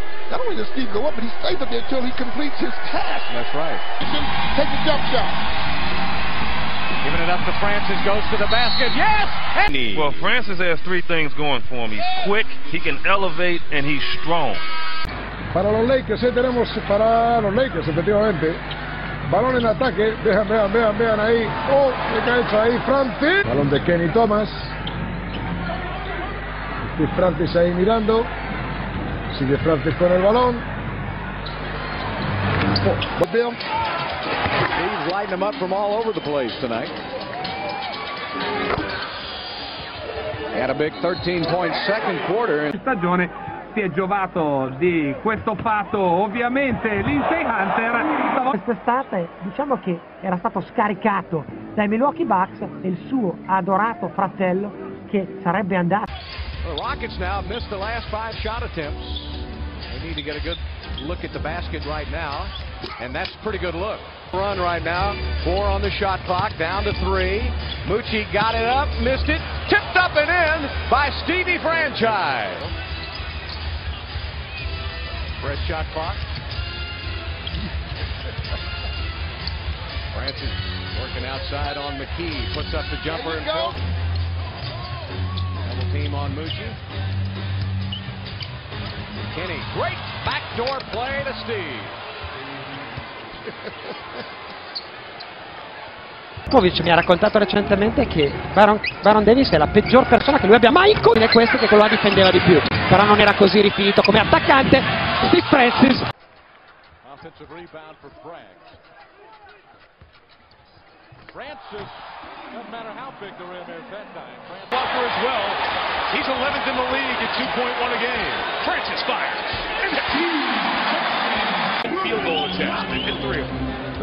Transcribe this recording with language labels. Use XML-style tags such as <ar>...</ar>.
<en>Not only does Steve go up, but he stays up there until he completes his task. That's right. Take the jump shot. Giving it up to Francis, goes to the basket, yes, and... Well, Francis has three things going for him. He's quick, he can elevate, and he's strong.</en> <es>Para los Lakers, tenemos para los Lakers, efectivamente. Balón en ataque, vean, vean, vean, vean ahí. Oh, le cae ahí Francis. Balón de Kenny Thomas. Steve Francis ahí mirando. Sigue Francis con el balón.</es> <en>Oh, Bill. He's lighting them up from all over the place tonight. Had a big 13-point second quarter.</en> <it>Stagione. Si è giovato di questo fatto ovviamente Lindsay Hunter. Quest'estate diciamo che era stato scaricato dai Milwaukee Bucks e il suo adorato fratello che sarebbe andato.</it> <en>The Rockets now have missed the last five shot attempts. They need to get a good look at the basket right now. And that's a pretty good look. Run right now. Four on the shot clock, down to three. Mucci got it up, missed it, tipped up and in by Stevie Franchise. Red shot clock. Francis working outside on McKee. Puts up the jumper and goes. Double team on Mucci. Kenny, great backdoor play to Steve.</en> <it>Popovic mi ha raccontato recentemente che Baron Davis è la peggior persona che lui abbia mai incontrato, è questo che quello la difendeva di più, però non era così rifinito come attaccante di Francis.</it> <en>Offensive rebound for Frank. Francis, doesn't matter how big the rim is that time. Francis Walker as well, he's 11th in the league at 2.1 a game. Francis fires, and the team! Field goal attempt, and hit three of them.</en>